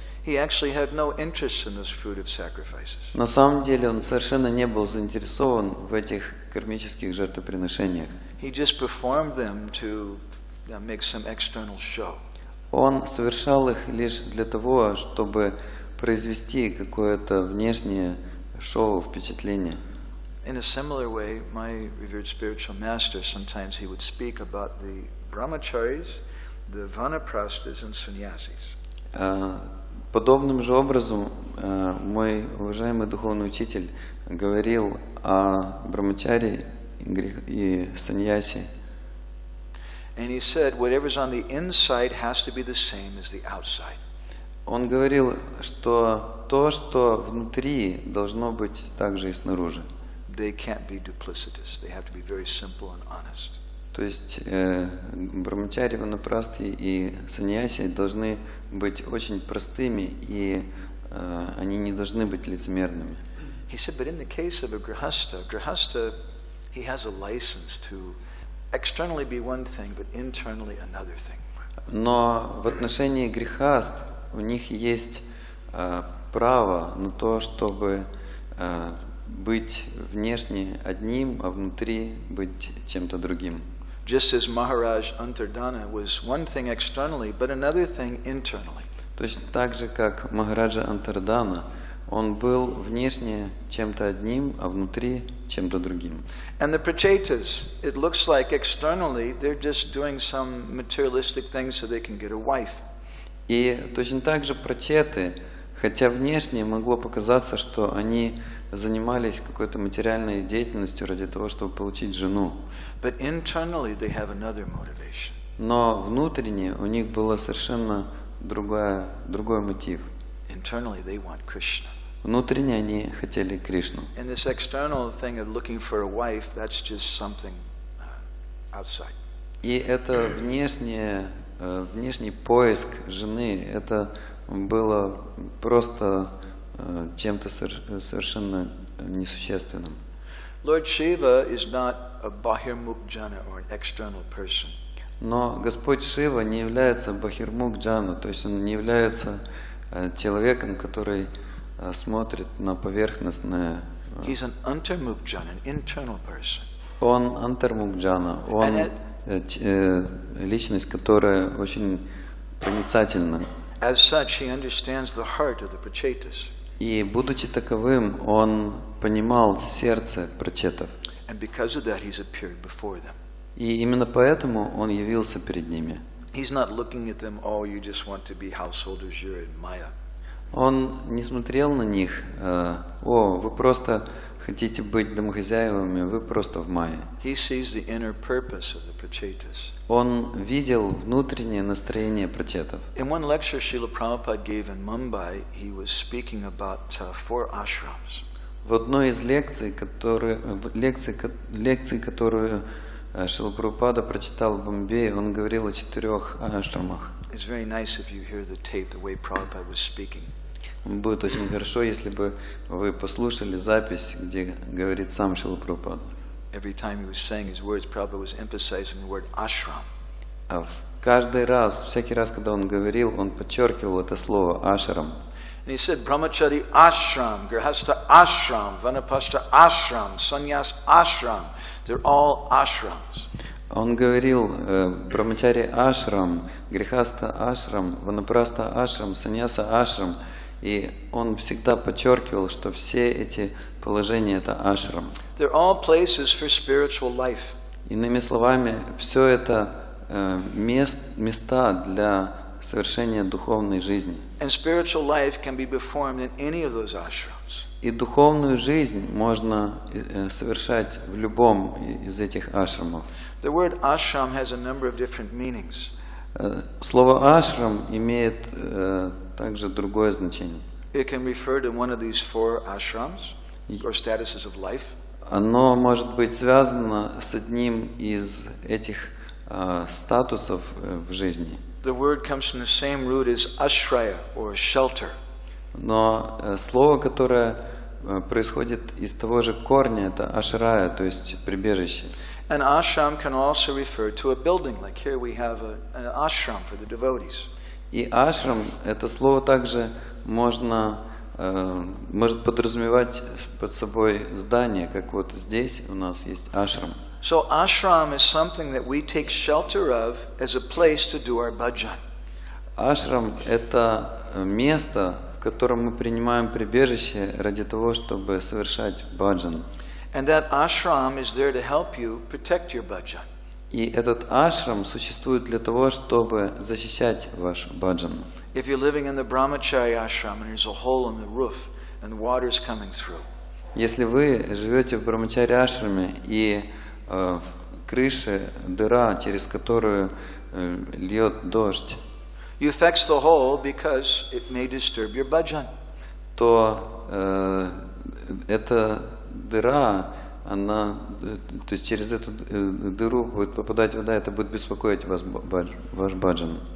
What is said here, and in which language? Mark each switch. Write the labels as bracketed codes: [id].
[en] He actually had no interest in those fruitive sacrifices. [ru] На самом деле он совершенно не был заинтересован в этих кармических жертвоприношениях. [en] He just performed them to make some external show. [ru] Он совершал их лишь для того, чтобы произвести какое-то внешнее шоу, впечатление. [en] In a similar way, my revered spiritual master, sometimes he would speak about the brahmacharis, the vanaprastas and sannyasis. [ru] Подобным же образом мой уважаемый духовный учитель говорил о брахмачари и саньясе. [en] And he said, whatever's on the inside has to be the same as the outside. [ru] Он говорил, что то, что внутри, должно быть также и снаружи. [en] They can't be duplicitous. They have to be very simple and honest. [ru] То есть брахмачари, ванапрасты и саньяси должны быть очень простыми, и они не должны быть лицемерными. [en] He said, but in the case of a grihastha, he has a license to externally be one thing, but internally another thing. [ru] Но в отношении грехаст у них есть право на то, чтобы быть внешне одним, а внутри быть чем-то другим. [en] Just as Maharaj Antardhana was one thing externally, but another thing internally. [ru] Точно так же, как Махараджа Антардана, он был внешне чем-то одним, а внутри чем-то другим. [en] And the Prachetas, it looks like externally, they're just doing some materialistic things so they can get a wife. [ru] И точно так же Прачеты, хотя внешне могло показаться, что они занимались какой-то материальной деятельностью ради того, чтобы получить жену. [en] But internally they have another motivation. [ru] Но внутренне у них было совершенно другой мотив. [en] Internally they want Krishna. [ru] Внутренне они хотели Кришну. [en] And this external thing of looking for a wife, that's just something outside. [ru] И это внешний поиск жены, это было просто чем-то совершенно несущественным. [en] Lord Shiva is not a bahirmukjana or an external person. [ru] Но Господь Шива не является бахирмукджана, то есть он не является человеком, который смотрит на поверхностное. [en] He's an antarmukjana, an internal person. [ru] Он антармукджана, он личность, которая очень проницательна. [en] As such, he understands the heart of the Prachetas. [ru] И будучи таковым, он понимал сердце прачетов. [en] And because of that, he's appeared before them. [ru] И именно поэтому он явился перед ними. [en] He's not looking at them, oh, you just want to be householders, you're in Maya. [ru] Он не смотрел на них, о, вы просто хотите быть домохозяевами, вы просто в Майе. [en] He sees the inner purpose of the Prachetas. [ru] Он видел внутреннее настроение прачетов. [en] In one lecture Srila Prabhupada gave in Mumbai, he was speaking about four ashrams. [ru] В одной из лекции, которую Шрила Прабхупада прочитал в Бомбее, он говорил о четырех ашрамах. [en] It's very nice if you hear the tape, the way Prabhupada was speaking. [ru] Будет очень хорошо, если бы вы послушали запись, где говорит сам Шрила Прабхупада. [en] Every time he was saying his words, Prabhupada was emphasizing the word ashram. [ru] А в каждый раз, всякий раз, когда он говорил, он подчеркивал это слово ашрам. [en] And he said, Brahmachari ashram, Grihastha ashram, Vanaprastha ashram, Sannyas ashram. They're all ashrams. [ru] Он говорил, Брахмачари ашрам, Грихаста ашрам, Ванапраста ашрам, Саньяса ашрам. И он всегда подчеркивал, что все эти положения это ашрам. [en] They're all places for spiritual life. [ru] Иными словами, все это места для совершения духовной жизни. [en] And spiritual life can be performed in any of those ashrams. [ru] И духовную жизнь можно совершать в любом из этих ашрамов. [en] The word ashram has a number of different meanings. [ru] Слово ашрам имеет также другое значение. [en] It can refer to one of these four ashrams or statuses of life. [ru] Оно может быть связано с одним из этих статусов в жизни. [en] The word comes from the same root as ashraya or shelter. [ru] Но слово, которое происходит из того же корня, это ашрая, то есть прибежище. [en] An ashram can also refer to a building, like here we have an ashram for the devotees. [ru] И ашрам, это слово также может подразумевать под собой здание, как вот здесь у нас есть ашрам. [en] So ashram is something that we take shelter of as a place to do our bhajan. [ru] Ашрам это место, в котором мы принимаем прибежище ради того, чтобы совершать баджан. [en] And that ashram is there to help you protect your bhajan. [ru] И этот ашрам существует для того, чтобы защищать ваш баджан. [en] If you're living in the Brahmachari ashram and there's a hole in the roof and the water is coming through. [ru] Если вы живете в Брахмачари ашраме и в крыше дыра, через которую льет дождь. [en] You fix the hole because it may disturb your bhajan. [ru] То эта дыра, она, то есть через эту дыру будет попадать вода, это будет беспокоить вас, ваш бхаджан.